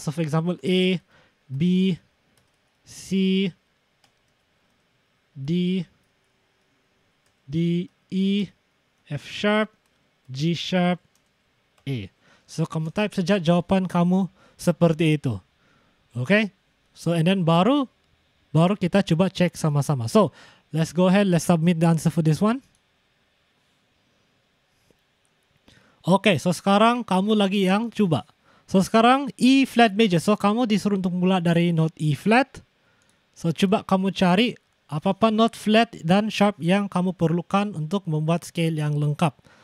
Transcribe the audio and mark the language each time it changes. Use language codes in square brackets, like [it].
[en] So for example A, B, C, D, D, E, F sharp, G sharp, A. [ms] So kamu type saja jawaban kamu seperti itu. [en] Okay? So and then [ms] baru kita cuba cek sama-sama. [en] So let's go ahead, let's submit the answer for this one. [ms] Okay, so sekarang kamu lagi yang cuba. So sekarang E flat major. So kamu disuruh untuk mula dari note E flat. So cuba kamu cari apa-apa note flat dan sharp yang kamu perlukan untuk membuat scale yang lengkap.